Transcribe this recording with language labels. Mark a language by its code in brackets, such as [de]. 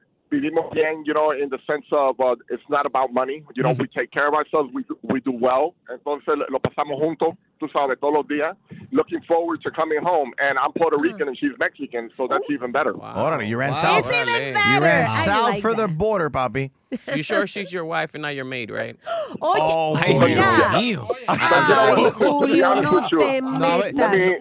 [en] Vivimos bien, you know, in the sense of it's not about money. You know, mm-hmm. we take care of ourselves. We do well. [es] Entonces lo pasamos juntos, tú sabes, todos los días. [en] Looking forward to coming home. And I'm Puerto Rican and she's Mexican, so that's Ooh. Even better. Wow. Hold on, you ran wow. south. It's even better. You ran I south like for that. The border, papi. You sure she's your wife and not your maid, right? [es] Oye, [en] oh, yeah. Julio. [es] Julio, no te metas.